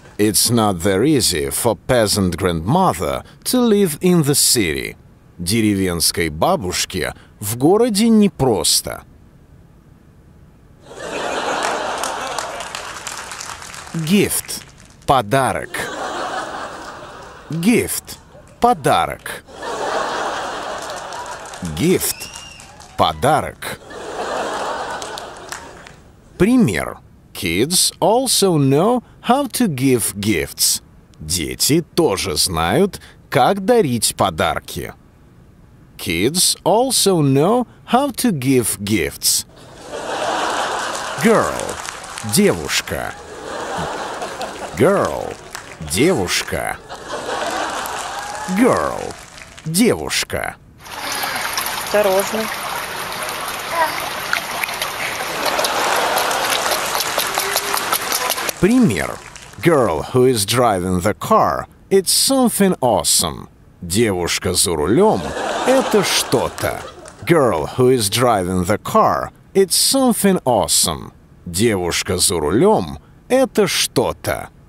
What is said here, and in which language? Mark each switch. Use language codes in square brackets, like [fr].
[en] It's not very easy for peasant grandmother to live in the city. [ru] Деревенской бабушке в городе непросто. [en] Gift. [ru] Подарок. [en] Gift. Подарок. Gift. [ru] Подарок. Пример. [en] Kids also know how to give gifts. [ru] Дети тоже знают, как дарить подарки. [en] Kids also know how to give gifts. Girl. [ru] Девушка. [en] Girl. Девушка. Girl. Девушка. [ru] Осторожно. Пример. [en] Girl who is driving the car, it's something awesome. [ru] Девушка за рулем – это что-то. [en] Girl who is driving the car, it's something awesome. [ru] Девушка за рулем – это что-то.